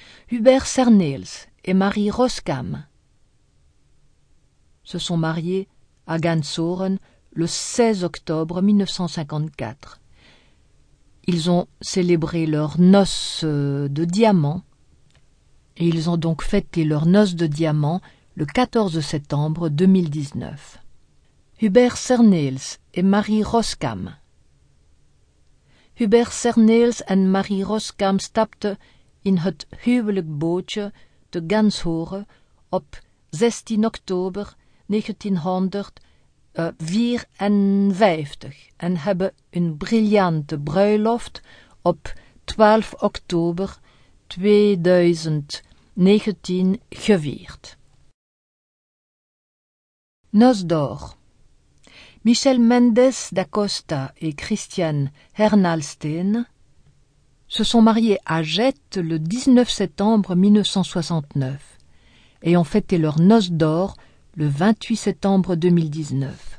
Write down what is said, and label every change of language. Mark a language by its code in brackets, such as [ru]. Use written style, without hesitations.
[fr] Hubert Cernels et Marie Roskam se sont mariés à Gansoren le 16 octobre 1954. Ils ont célébré leurs noces de diamants et ils ont donc fêté leurs noces de diamants le 14 septembre 2019. Hubert Cernels et Marie Roskam. [nl] Hubert Cernels et Marie Roskam stapte in het huwelijksbootje de Ganshoren op 16 oktober 1954 en hebben een briljante bruiloft op 12 oktober 2019 gevierd. [fr] Noces d'or. Michel Mendes da Costa et Christian Hernalsteen se sont mariés à Jette le 19 septembre 1969 et ont fêté leurs noces d'or le 28 septembre 2019.